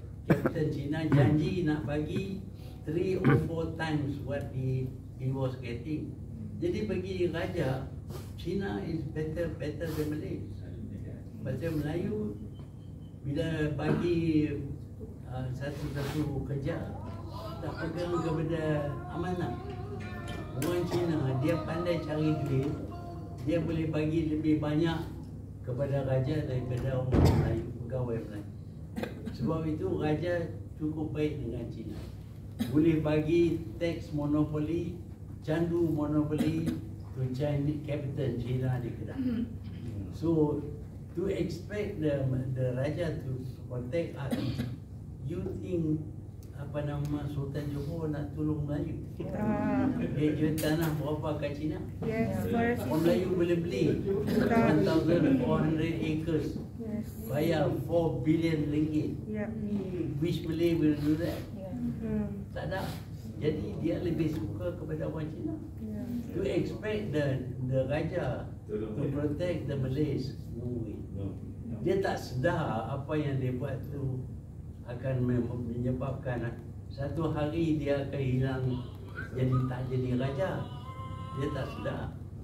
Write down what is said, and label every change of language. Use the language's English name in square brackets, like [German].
[Malay] Kapten Cina janji nak bagi [English] 3 or 4 times what he was getting. [Malay] Jadi bagi raja, Cina [English] is better than Malay. [Malay] Macam Melayu bila bagi satu-satu kerja tak pegang kepada amanah. Orang Cina dia pandai cari duit, dia boleh bagi lebih banyak kepada raja daripada orang Melayu, pegawai Melayu. Sebab itu raja cukup baik dengan Cina. Boleh bagi tax monopoli, candu monopoli [English] to Chinese capital [Malay] Cina di Kedah. [English] So to expect the raja to protect us, you think [Malay] apa nama Sultan Johor nak tolong Melayu? Dia jual tanah berapa kat Cina? [English] Yes, [Malay] orang Melayu boleh beli 1,400 acres. [English] Yes. [Malay] Bayar 4 billion ringgit. [English] Yep. Which Malay will do that? Yeah. Mm-hmm. [Malay] Tak ada. Jadi dia lebih suka kepada orang Cina. [English] Yeah. To expect the raja to protect the Malays. No way. No. [Malay] Dia tak sedar apa yang dia buat tu akan menyebabkan satu hari dia akan hilang jadi tak jadi raja. Dia tak sedar.